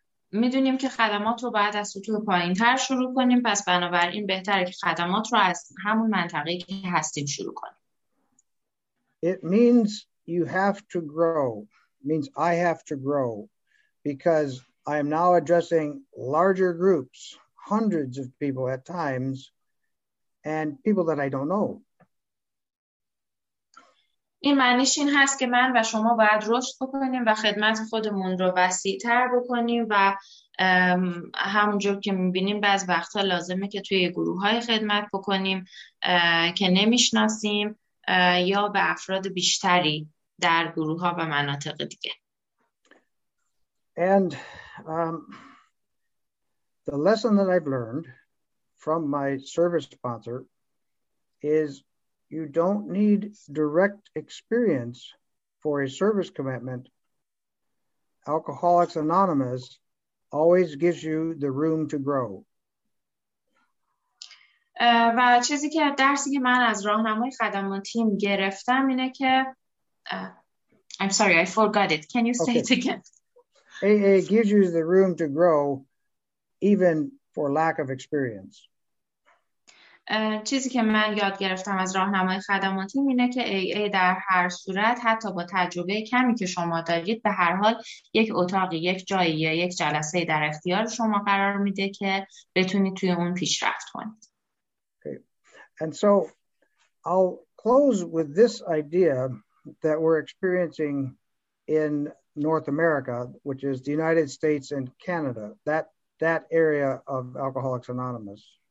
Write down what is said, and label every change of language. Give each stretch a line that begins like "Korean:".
Persian: میدونیم که خدمات رو باید از سطوح پایین‌تر شروع کنیم پس بنابراین بهتره که خدمات رو از همون منطقه‌ای که هستیم شروع کنیم.
English: It means you have to grow. It means I have to grow because I am now addressing larger groups, hundreds of people at times and people that I don't know.
Persian: این معنیش این هست که من و شما باید رشد بکنیم و خدمت خودمون رو وسیع‌تر بکنیم و همونجور که می‌بینیم بعض وقتا لازمه که توی گروه‌های خدمت بکنیم که نمی‌شناسیم یا به افراد بیشتری در گروه‌ها و مناطق دیگه.
English: And the lesson that I've learned from my service sponsor is you don't need direct experience for a service commitment. Alcoholics Anonymous always gives you the room to grow.
Persian: و چیزی که درسی که من از راهنمای خدماتیم گرفتم اینه که
English: I'm sorry, I forgot it. Can you say it again? AA gives you the room to grow even for lack of experience.
Persian: چیزی که من یاد گرفتم از راهنمای خدماتی اینه که AA در هر صورت حتی با تجربه کمی که شما دارید به هر حال یک اتاقی، یک جایی یا یک جلسه در اختیار شما قرار میده که بتونید توی اون پیشرفت کنید.
English: Okay. And so I'll close with this idea that we're experiencing in North America, which is the United States and Canada, that area of Alcoholics Anonymous.